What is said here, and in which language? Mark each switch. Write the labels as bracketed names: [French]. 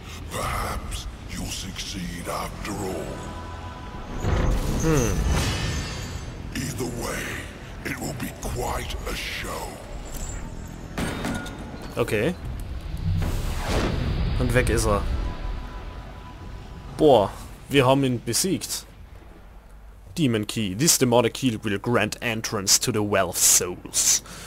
[English] Perhaps you succeed after all. Either way, it will be quite a show. Okay. [German] Und weg ist er. Boah, wir haben ihn besiegt. [English] Demon Key. This demonic key will grant entrance to the Well of Souls.